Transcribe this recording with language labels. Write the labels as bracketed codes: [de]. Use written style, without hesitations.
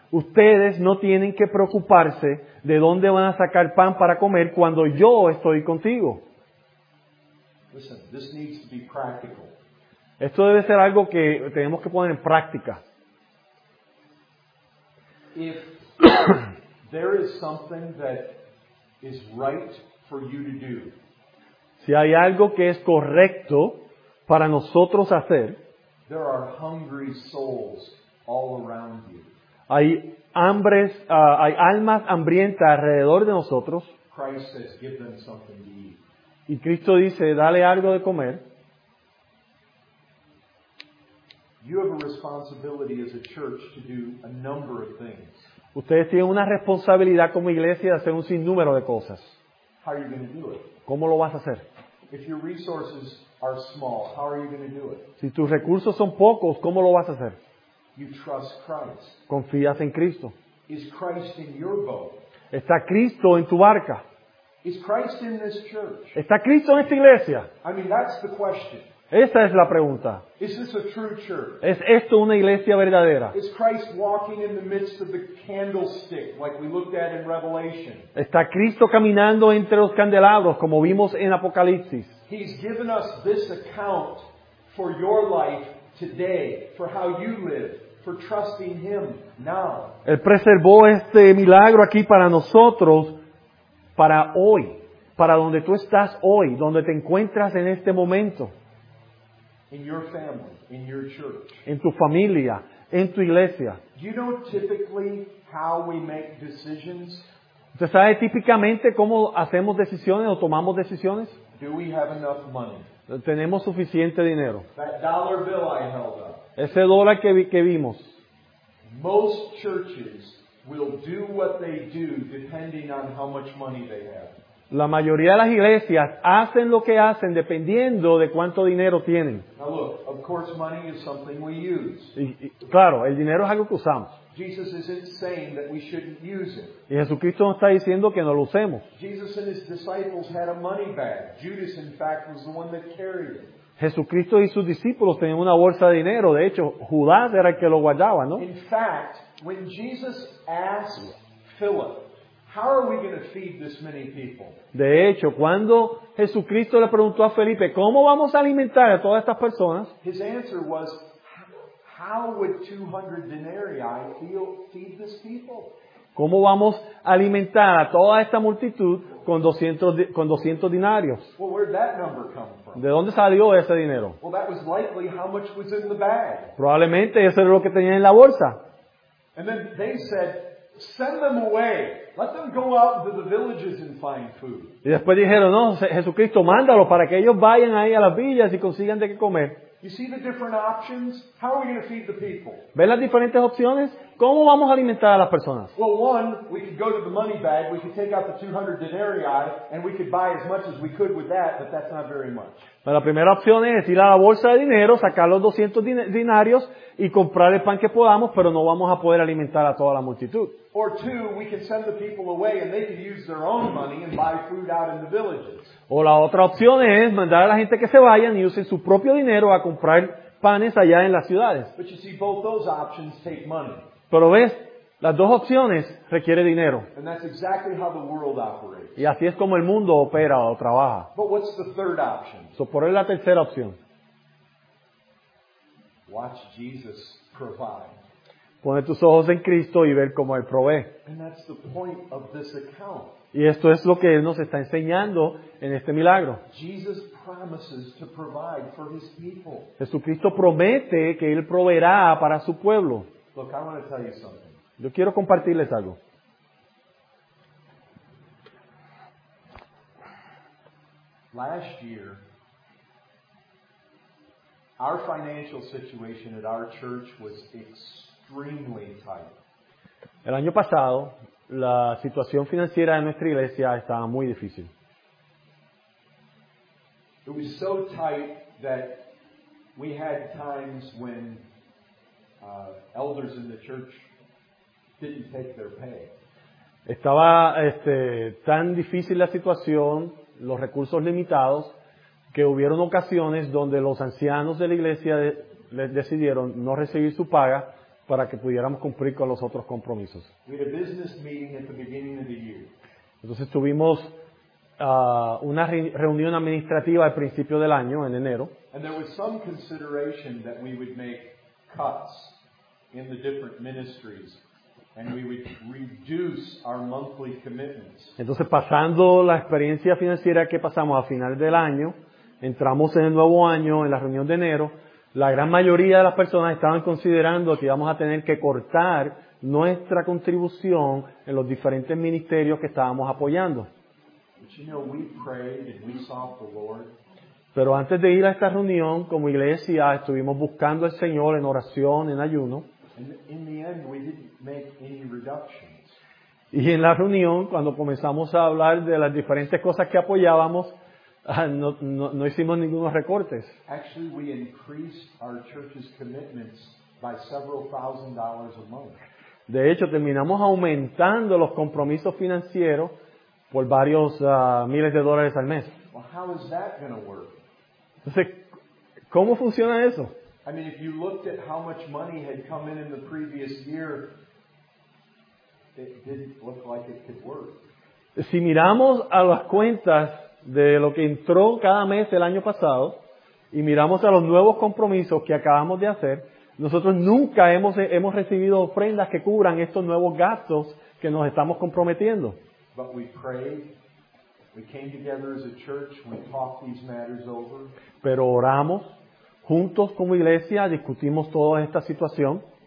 [es] Ustedes no tienen que preocuparse de dónde van a sacar pan para comer cuando yo estoy contigo. [en] Listen, this needs to be practical. [es] Esto debe ser algo que tenemos que poner en práctica. [en] If there is something that is right for you to do, [es] si hay algo que es correcto para nosotros hacer, [en] there are hungry souls all around you. [es] Hay almas hambrientas alrededor de nosotros. [en] Christ says, give them something to eat. [es] Y Cristo dice, dale algo de comer. [en] You have a responsibility as a church to do a number of things. [es] Ustedes tienen una responsabilidad como iglesia de hacer un sinnúmero de cosas. [en] How are you going to do it? [es] ¿Cómo lo vas a hacer? [en] If your resources are small, how are you going to do it? [es] Si tus recursos son pocos, ¿cómo lo vas a hacer? [en] You trust Christ. [es] Confías en Cristo. [en] Is Christ in your boat? [es] ¿Está Cristo en tu barca? [en] Is Christ in this church? [es] ¿Está Cristo en esta iglesia? [en] I mean, that's the question. [es] Esa es la pregunta. [en] Is this a true church? [es] ¿Es esto una iglesia verdadera? [en] Is Christ walking in the midst of the candlestick like we looked at in Revelation? [es] ¿Está Cristo caminando entre los candelabros como vimos en Apocalipsis? [en] He's given us this account for your life today, for how you live, for trusting Him now. [es] Él preservó este milagro aquí para nosotros para hoy, para donde tú estás hoy, donde te encuentras en este momento. [en] In your family, in your church. [es] En tu familia, en tu iglesia. [en] Do you know typically how we make decisions? [es] ¿Usted sabe típicamente cómo hacemos decisiones o tomamos decisiones? [en] Do we have enough money? [es] ¿Tenemos suficiente dinero? [en] That dollar bill I held up. [es] Ese dólar que vimos. [en] Most churches will do what they do depending on how much money they have. [es] La mayoría de las iglesias hacen lo que hacen dependiendo de cuánto dinero tienen. [en] Now look, of course money is something we use. [es] Y claro, el dinero es algo que usamos. [en] Jesus isn't saying that we shouldn't use it. [es] Y Jesucristo no está diciendo que no lo usemos. [en] Jesus and his disciples had a money bag. Judas, in fact, was the one that carried it. [es] Jesucristo y sus discípulos tenían una bolsa de dinero. De hecho, Judas era el que lo guardaba, ¿no? [en] In fact, when Jesus asked Philip, "How are we going to feed this many people?" [es] De hecho, cuando Jesucristo le preguntó a Felipe, "¿Cómo vamos a alimentar a todas estas personas?" [en] His answer was, "How would 200 denarii feed this people?" [es] ¿Cómo vamos a alimentar a toda esta multitud con 200 dinarios? [en] Well, where did that number come from? [es] ¿De dónde salió ese dinero? [en] Well, that was likely how much was in the bag. [es] Probablemente eso era lo que tenía en la bolsa. [en] And then they said, "Send them away. Let them go out into the villages and find food." [es] Y después dijeron, "No, Jesucristo, mándalos para que ellos vayan ahí a las villas y consigan de qué comer." [en] You see the different options? How are we going to feed the people? [es] ¿Ven las diferentes opciones? ¿Cómo vamos a alimentar a las personas? [en] Well, one, we could go to the money bag, we could take out the 200 denarii, and we could buy as much as we could with that, but that's not very much. [es] La primera opción es ir a la bolsa de dinero, sacar los 200 dinarios y comprar el pan que podamos, pero no vamos a poder alimentar a toda la multitud. [en] Or two, we could send the people away and they could use their own money and buy food out in the villages. [es] O la otra opción es mandar a la gente que se vayan y usen su propio dinero a comprar panes allá en las ciudades. [en] But you see, both those options take money. [es] Pero ves, las dos opciones requieren dinero. [en] And that's exactly how the world operates. [es] Y así es como el mundo opera o trabaja. [en] But what's the third option? [es] So, ¿por qué la tercera opción? [en] Watch Jesus provide. [es] Pone tus ojos en Cristo y ver cómo Él provee. [en] And that's the point of this account. [es] Y esto es lo que Él nos está enseñando en este milagro. [en] Jesus promises to provide for his people. [es] Jesucristo promete que Él proveerá para su pueblo. [en] Look, I want to tell you something. [es] Yo quiero compartirles algo. [en] Last year, our financial situation at our church was extremely tight. [es] El año pasado, la situación financiera de nuestra iglesia estaba muy difícil. [en] It was so tight that we had times when elders in the church didn't take their pay. [es] Estaba tan difícil la situación, los recursos limitados, que hubieron ocasiones donde los ancianos de la iglesia decidieron no recibir su paga para que pudiéramos cumplir con los otros compromisos. [en] We had a business meeting at the beginning of the year. [es] Entonces tuvimos una reunión administrativa al principio del año, en enero. [en] And there was some consideration that we would make cuts in the different ministries and we would reduce our monthly commitments. [es] Entonces, pasando la experiencia financiera que pasamos a finales del año, entramos en el nuevo año, en la reunión de enero, la gran mayoría de las personas estaban considerando que íbamos a tener que cortar nuestra contribución en los diferentes ministerios que estábamos apoyando. [en] But you know, we prayed and we sought the Lord. [es] Pero antes de ir a esta reunión, como iglesia, estuvimos buscando al Señor en oración, en ayuno. [en] And in the end, we didn't make any reductions. [es] Y en la reunión, cuando comenzamos a hablar de las diferentes cosas que apoyábamos, no hicimos ningunos recortes. [en] Actually, we increased our church's commitments by several thousand dollars a month. [es] De hecho, terminamos aumentando los compromisos financieros por varios miles de dólares al mes. [en] Well, how is that going to work? [es] Entonces, ¿cómo funciona eso? [en] I mean, if you looked at how much money had come in the previous year, it didn't look like it could work. [es] Si miramos a las cuentas de lo que entró cada mes el año pasado y miramos a los nuevos compromisos que acabamos de hacer, nosotros nunca hemos recibido ofrendas que cubran estos nuevos gastos que nos estamos comprometiendo. [en] But we prayed. We came together as a church, we talked these matters over. [es] Pero oramos juntos como iglesia, discutimos toda esta situación.